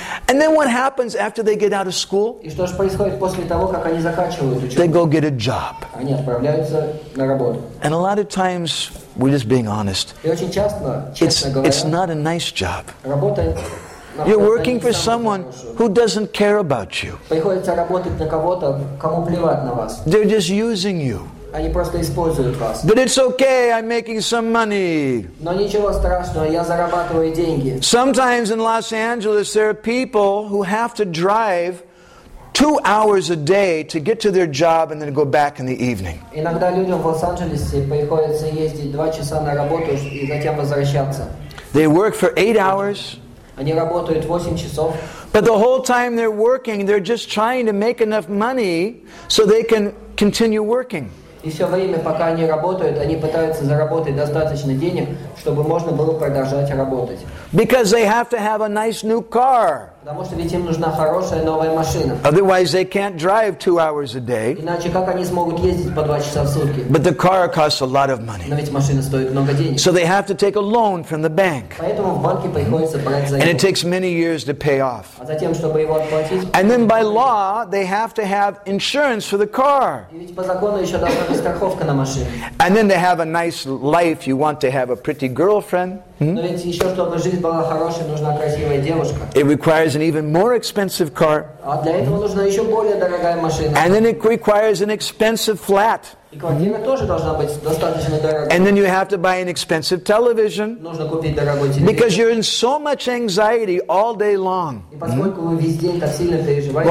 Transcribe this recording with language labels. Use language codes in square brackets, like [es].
[en] And then what happens after they get out of school? [ru] И что же происходит после того, как они заканчивают учебу? [en] They go get a job. [ru] Они отправляются на работу. [en] And a lot of times, we're just being honest. [ru] И очень часто, честно говоря, [en] it's not a nice job. [ru] Работа. [en] You're working for someone who doesn't care about you. [ru] Приходится работать на кого-то, кому плевать на вас. [en] They're just using you. [ru] Они просто используют вас. [en] But it's okay, I'm making some money. [ru] Но ничего страшного, я зарабатываю деньги. [en] Sometimes in Los Angeles there are people who have to drive 2 hours a day to get to their job and then go back in the evening. [ru] Иногда людям в Лос-Анджелесе приходится ездить 2 часа на работу и затем возвращаться. [en] They work for 8 hours. [ru] Они работают 8 часов. [en] But the whole time they're working, they're just trying to make enough money so they can continue working. [ru] И все время, пока они работают, они пытаются заработать достаточно денег, чтобы можно было продолжать работать. [en] Because they have to have a nice new car. [ru] Потому что ведь им нужна хорошая новая машина. [en] Otherwise they can't drive 2 hours a day. [ru] Иначе как они смогут ездить по 2 часа в сутки? [en] But the car costs a lot of money. [ru] Но ведь машина стоит много денег. [en] So they have to take a loan from the bank. [ru] Поэтому в банке приходится брать заем. [en] And it takes many years to pay off. [ru] А затем, чтобы его отплатить. [en] And then by law they have to have insurance for the car. [ru] И ведь по закону еще должна быть страховка на машину. [en] And then to have a nice life, you want to have a pretty girlfriend. [ru] Но ведь еще, чтобы жизнь была хорошей, нужна красивая девушка. [en] It requires an even more expensive car. [ru] А для этого нужна еще более дорогая машина. [en] And then it requires an expensive flat. [ru] И квартира тоже должна быть достаточно дорогой. [en] And then you have to buy an expensive television. [ru] Нужно купить дорогой телевизор. [en] Because you're in so much anxiety all day long. [ru] И поскольку вы весь день так сильно переживаете.